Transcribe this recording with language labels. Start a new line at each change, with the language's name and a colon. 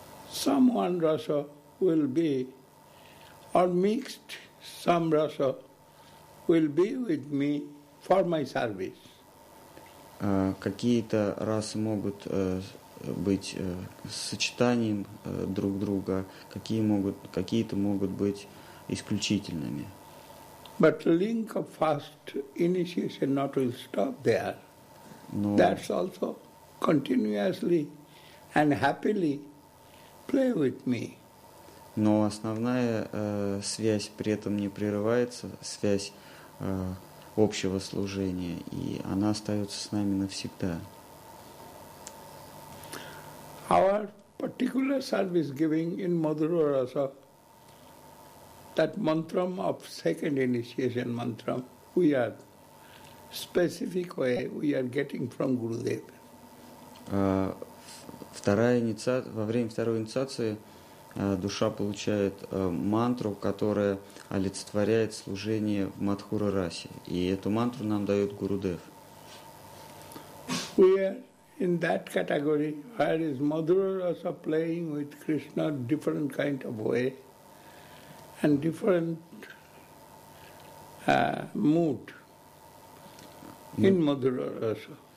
English: Some one rasa will be, or mixed some rasa will be with me for my service.
Russian: Какие-то расы могут быть сочетанием друг друга, какие-то могут быть исключительными.
English: But link of first initiation not will stop there.
Russian: Но
English: that's also continuously and happily play with me.
Russian: Но основная связь при этом не прерывается, связь общего служения, и она остается с нами навсегда.
English: Our particular service giving in Madhura Rasa, that mantra of second initiation mantra, we are specific way we are getting from Gurudev.
Russian: Во время второй инициации душа получает мантру, которая олицетворяет служение в Мадхура Расе. И эту мантру нам дает Гурудев.
English: We are in that category where is Madhura Rasa playing with Krishna different kind of way and different mood in Madhura Rasa.